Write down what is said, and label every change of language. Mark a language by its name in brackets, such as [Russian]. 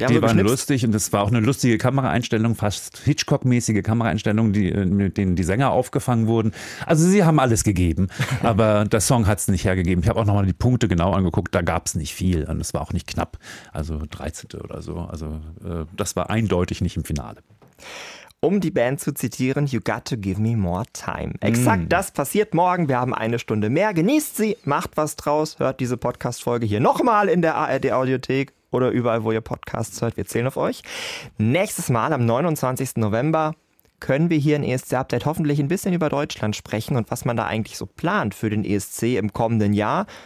[German] Lustig und das war auch eine lustige Kameraeinstellung, fast Hitchcock-mäßige Kameraeinstellung, mit denen die Sänger aufgefangen wurden. Also sie haben alles gegeben, aber der Song hat es nicht hergegeben. Ich habe auch nochmal die Punkte genau angeguckt, da gab es nicht viel und es war auch nicht knapp. Also 13. oder so. Also das war eindeutig nicht im Finale. Um die Band zu zitieren, [English] you got to give me more time. [German] Exakt das passiert morgen. Wir haben eine Stunde mehr. Genießt sie, macht was draus, hört diese Podcast-Folge hier nochmal in der ARD-Audiothek oder überall, wo ihr Podcasts hört. Wir zählen auf euch. Nächstes Mal am 29. November können wir hier in ESC Update hoffentlich ein bisschen über Deutschland sprechen und was man da eigentlich so plant für den ESC im kommenden Jahr.